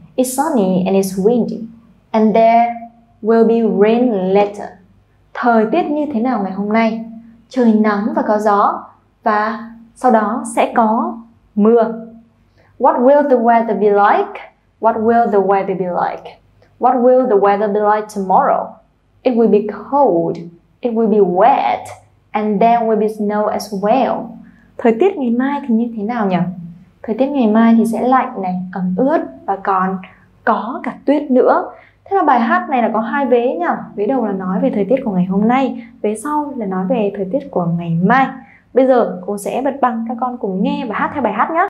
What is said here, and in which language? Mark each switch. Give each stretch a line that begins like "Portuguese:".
English: It's sunny and it's windy, and there will be rain later.
Vietnamese: Thời tiết như thế nào ngày hôm nay? Trời nắng và có gió, và sau đó sẽ có mưa.
English: What will the weather be like? What will the weather be like? What will the weather be like tomorrow? It will be cold, it will be wet, and there will be snow as well.
Vietnamese: Thời tiết ngày mai thì như thế nào nhỉ? Thời tiết ngày mai thì sẽ lạnh này, ẩm ướt và còn có cả tuyết nữa. Thế là bài hát này là có hai vế nhỉ? Vế đầu là nói về thời tiết của ngày hôm nay, vế sau là nói về thời tiết của ngày mai. Bây giờ cô sẽ bật băng, các con cùng nghe và hát theo bài hát nhé.